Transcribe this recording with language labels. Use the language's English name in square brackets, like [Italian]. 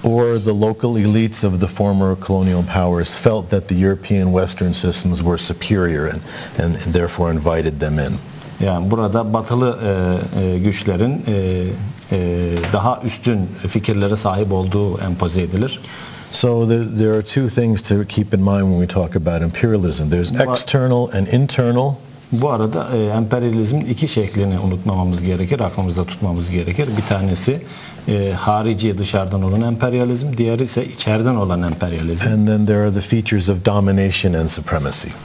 [English] Or the local elites of the former colonial powers felt that the European Western systems were superior and therefore invited them in. [Turkish] Yani burada batılı güçlerin daha üstün fikirlere sahip olduğu empoze edilir. [English] So there are two things to keep in mind when we talk about imperialism. There's external and internal. [Turkish] Bu arada emperyalizmin iki şeklini unutmamamız gerekir, aklımızda tutmamız gerekir. Bir tanesi harici, dışarıdan olan emperyalizm, diğeri ise içeriden olan emperyalizm. [English] And then there are the features of domination and supremacy.